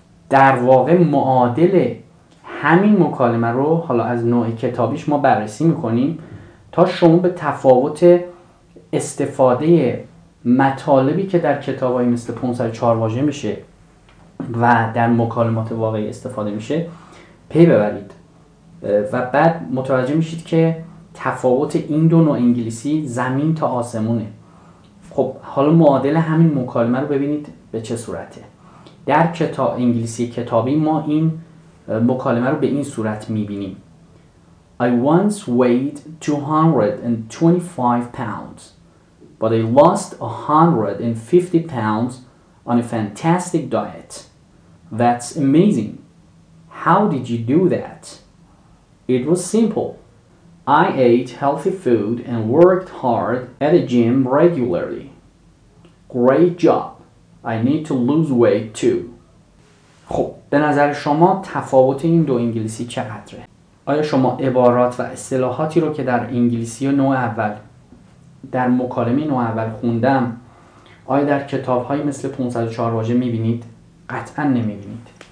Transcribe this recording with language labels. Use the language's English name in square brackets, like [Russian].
[Persian] در واقع معادل همین مکالمه رو حالا از نوع کتابیش ما بررسی میکنیم تا شما به تفاوت استفاده مطالبی که در کتابایی مثل 504 واژه میشه و در مکالمات واقعی استفاده میشه پی ببرید و بعد متوجه میشید که تفاوت این دو نوع انگلیسی زمین تا آسمونه. خب حالا معادل همین مکالمه رو ببینید به چه صورته. در کتاب انگلیسی کتابی ما این مکالمه رو به این صورت میبینیم. [English] I once weighed 225 pounds but I lost 150 pounds on a fantastic diet. That's amazing. How did you do that? It was simple. I ate healthy food and worked hard at a gym regularly. Great job. I need to lose weight too. [Persian] خب به نظر شما تفاوت این دو انگلیسی چقدره؟ آیا شما عبارات و اصطلاحاتی رو که در انگلیسی نوع اول در مکالمه نوع اول خوندم آیا در کتاب‌های مثل 504 واژه می‌بینید؟ قطعاً نمی‌بینید.